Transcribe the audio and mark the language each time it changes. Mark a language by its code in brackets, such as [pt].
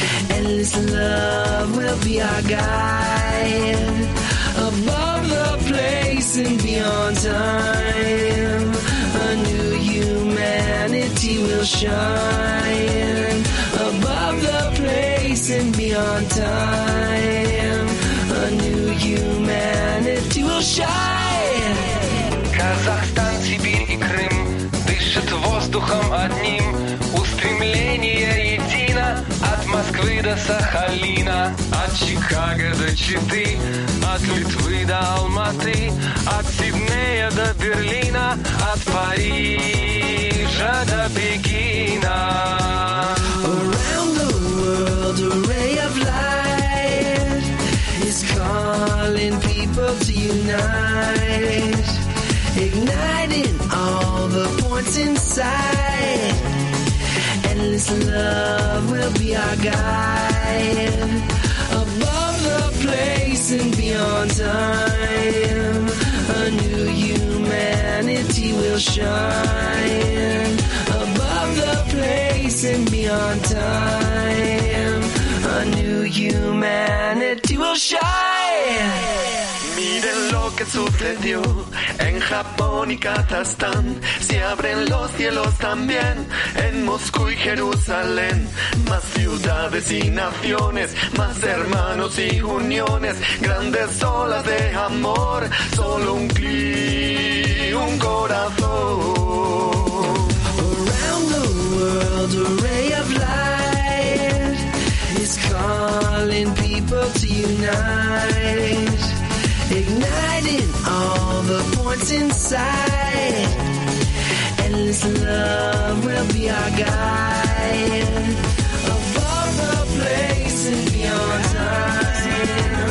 [en] Endless love will be our guide above the place and beyond time. A new humanity will shine above the place and beyond time. A new humanity will shine. [ru] Kazakhstan, Sibir i Krym дышат воздухом одним. Устремление едино от Москвы до Сахалина, от Чикаго до Читы, от Литвы до Алматы, от Сиднея до Берлина, от Парижа до Пекина. [en] Around the world a ray of light is calling people to unite, igniting all the points inside. Endless love will be our guide above the place and beyond time. A new humanity will shine above the place and beyond time. A new humanity will shine. [es] Miren lo que sucedió en Japón y Kazajstán. Se abren los cielos también en Moscú y Jerusalén. Más ciudades y naciones, más hermanos y uniones, grandes olas de amor, solo un clic, un corazón. [en] Around the world a ray of light is calling people to unite, igniting all the points inside. Endless love will be our guide above the place and beyond time.